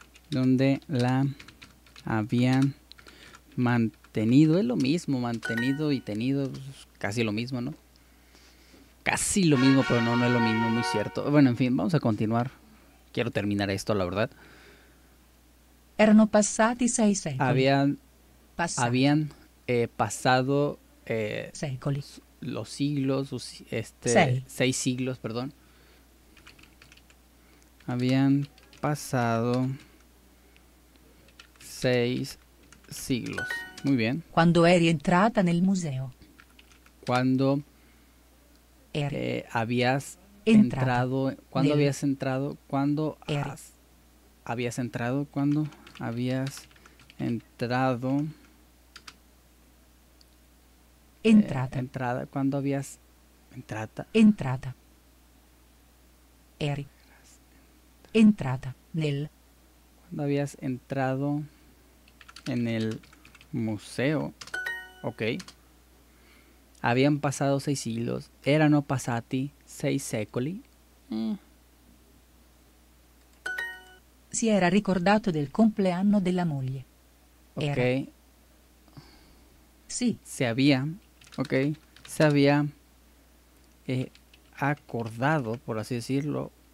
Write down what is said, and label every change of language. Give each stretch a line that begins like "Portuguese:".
Spanish: Donde la habían mantenido. Es lo mismo, mantenido y tenido. Casi lo mismo, ¿no? Casi lo mismo, pero no es lo mismo, muy cierto. Bueno, en fin, vamos a continuar. Quiero terminar esto, la verdad.
Italian: Erano passati sei secoli.
Spanish: Habían pasado
Italian: secoli.
Spanish: Los siglos, seis siglos, perdón. Habían pasado seis siglos. Muy bien. Cuando
Italian: eri entrata nel museo.
Spanish: Cuando habías entrado. Cuando habías entrado. Cuando habías entrado. Cuando habías entrado.
Italian: Entrata.
Spanish: Entrada. Cuando habías entrata.
Italian: Entrata. Eri. Entrata nel.
Spanish: Quando habías entrato en el museo. Ok. Habían pasado sei siglos.
Italian: Erano passati sei secoli. Si era ricordato del compleanno della moglie. Ok. Era. Sì.
Spanish: Se había. Ok. Se había acordado, por así decirlo.